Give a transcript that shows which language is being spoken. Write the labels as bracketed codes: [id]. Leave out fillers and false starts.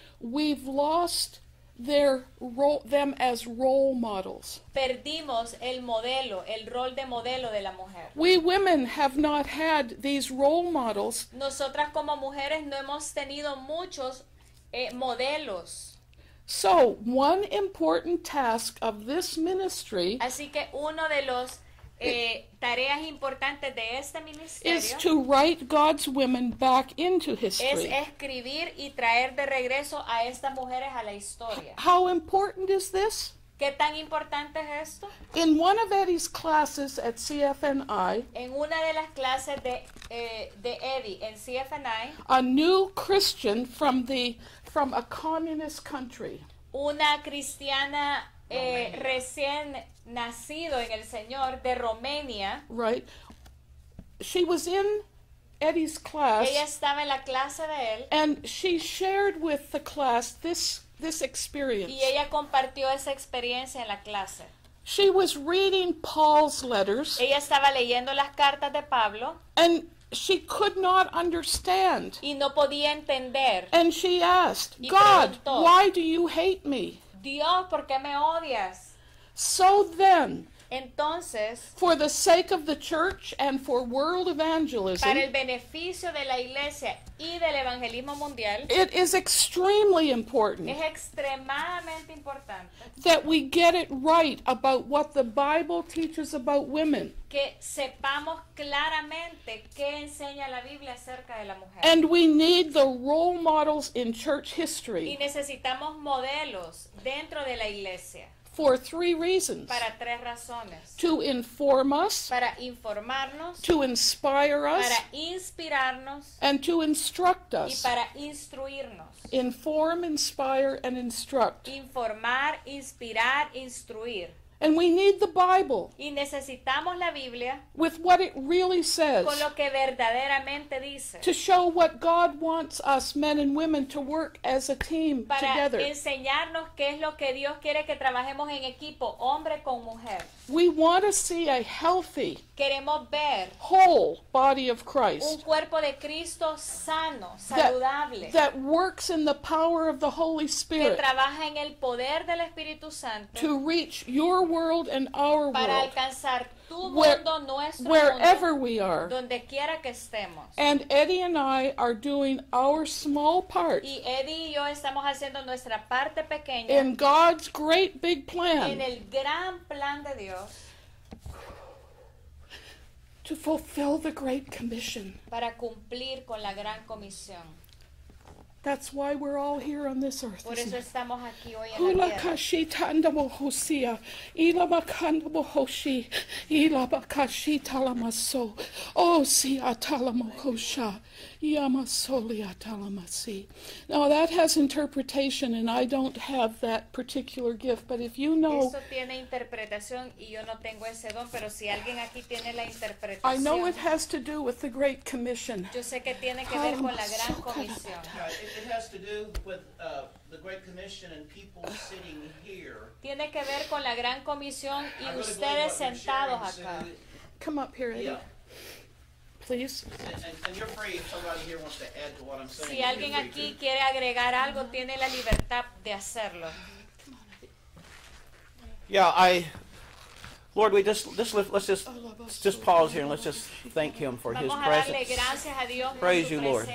[en] We've lost their role, them as role models. [es] Perdimos el modelo, el rol de modelo de la mujer. [en] We women have not had these role models. [es] Nosotras como mujeres no hemos tenido muchos modelos. [en] So, one important task of this ministry. [es] Así que uno de los tareas importantes de este ministerio [en] is to write God's women back into history. [es] Es escribir y traer de regreso a estas mujeres a la historia. [en] How important is this? [es] ¿Qué tan importante es esto? [en] In one of Eddie's classes at CFNI, [es] en una de las clases de Eddie en CFNI, [en] a new Christian from a communist country. [es] Una cristiana recién nacido en el Señor de Romania. [en] Right. She was in Eddie's class. [es] Ella estaba en la clase de él. [en] And she shared with the class this experience. [es] Y ella compartió esa experiencia en la clase. [en] She was reading Paul's letters. [es] Ella estaba leyendo las cartas de Pablo. [en] And she could not understand. [es] Y no podía entender. [en] And she asked, [es] y preguntó, [en] God, why do you hate me? [es] Dios, ¿por qué me odias? [en] So then, [es] entonces, [en] for the sake of the church and for world evangelism, [es] para el beneficio de la iglesia y del evangelismo mundial, [en] it is extremely important, [es] es extremadamente importante, [en] that we get it right about what the Bible teaches about women. [es] Que sepamos claramente qué enseña la Biblia acerca de la mujer. [en] And we need the role models in church history. [es] Y necesitamos modelos dentro de la iglesia. [en] For three reasons. [es] Para tres razones. [en] To inform us. [es] Para informarnos. [en] To inspire us. [es] Para inspirarnos. [en] And to instruct us. [es] Y para instruirnos. [en] Inform, inspire, and instruct. [es] Informar, inspirar, instruir. [en] And we need the Bible. [es] Y necesitamos la Biblia. [en] With what it really says. [es] Con lo que verdaderamente dice. [en] To show what God wants us men and women to work as a team [es] para [en] together. [es] Para enseñarnos qué es lo que Dios quiere que trabajemos en equipo, hombre con mujer. [en] We want to see a healthy. [es] Queremos ver. [en] Whole body of Christ. [es] Un cuerpo de Cristo sano, saludable. [en] That works in the power of the Holy Spirit. [es] Que trabaja en el poder del Espíritu Santo. [en] To reach your world and our [es] para [en] world [es] alcanzar tu mundo, nuestro [en] wherever [es] mundo, [en] we are [es] donde quiera que estemos. [en] And Eddie and I are doing our small part [es] y Eddie y yo estamos haciendo nuestra parte pequeña [en] in God's great big plan, [es] en el gran plan de Dios, [en] to fulfill the great commission [es] para cumplir con la gran comisión. [en] That's why we're all here on this earth. [es] Por eso estamos aquí hoy en la tierra. Hula kashi tanda mohusia, ila makanda mohoshi, ila bakashi talamaso, o si atalamohosha, yamasoli atalamasi. [en] Now that has interpretation, and I don't have that particular gift. But if you know, [es] esto tiene interpretación y yo no tengo ese don. Pero si alguien aquí tiene la interpretación, [en] I know it has to do with the Great Commission. [es] Yo sé que tiene que ver con la Gran Comisión. [en] It has to do with the Great Commission and people sitting here. [es] Tiene que ver con la Gran Comisión y ustedes sentados acá. [en] Come up here, Eddie. Please. And you're free if somebody here wants to add to what I'm saying. [es] Si alguien aquí quiere agregar algo, tiene la libertad de hacerlo. [en] Yeah, Lord, we let's just pause here and let's just thank Him for His presence. [es] Vamos a darle gracias a Dios por su